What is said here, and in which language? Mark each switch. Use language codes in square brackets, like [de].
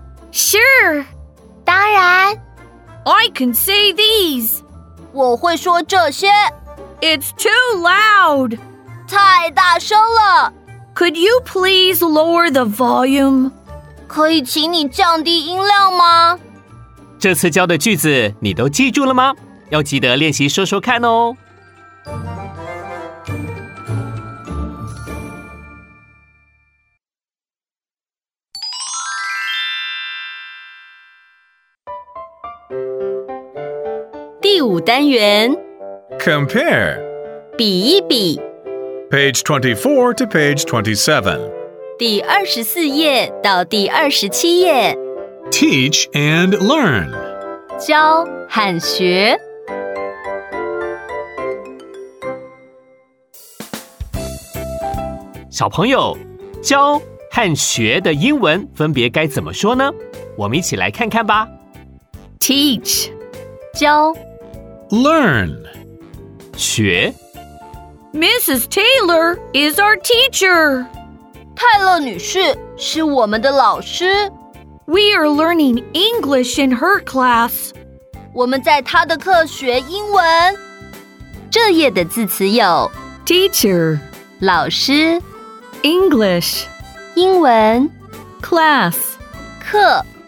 [en] Sure, [zh] 当然。 [en] I can say these. [zh] 我会说这些。 [en] It's too loud. [zh] 太大声了。 [en] Could you please lower the volume? [zh] 可以请你降低音量吗？这次教的句子你都记住了吗？要记得练习说说看哦。五单元 [en] Compare [zh] 比一比 [en] Page 24 to page 27 [zh] 第二十四页到第二十七页 [en] Teach and learn [zh] 教和学小朋友，教和学的英文分别该怎么说呢？我们一起来看看吧 [en] Teach [zh] 教 [en] Learn. [zh] 学 [en] Mrs. Taylor is our teacher. [zh] 泰勒女士是我们的老师。 [en] We are learning English in her class. [zh] 我们在她的课学英文。这页的字词有 [en] teacher, [zh] 老师 [en] English, [zh] 英文 [en] class, [zh] 课